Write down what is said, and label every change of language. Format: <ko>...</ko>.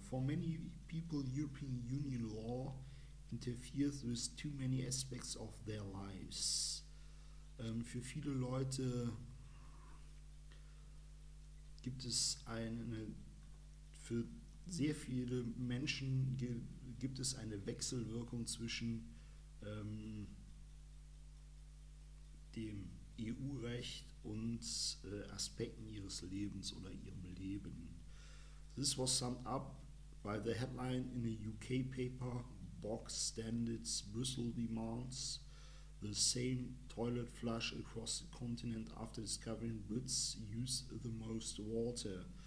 <en>For many people, European Union law interferes with too many aspects of their lives.</en> <de>Für viele Leute gibt es eine, für sehr viele Menschen gibt es eine Wechselwirkung zwischen dem EU-Recht und Aspekten ihres Lebens oder ihrem Leben.</de> <en>This was summed up by the headline in a UK paper, Box Standards Brussels Demands the Same Toilet Flush Across the Continent After Discovering Brits Use the Most Water.</en>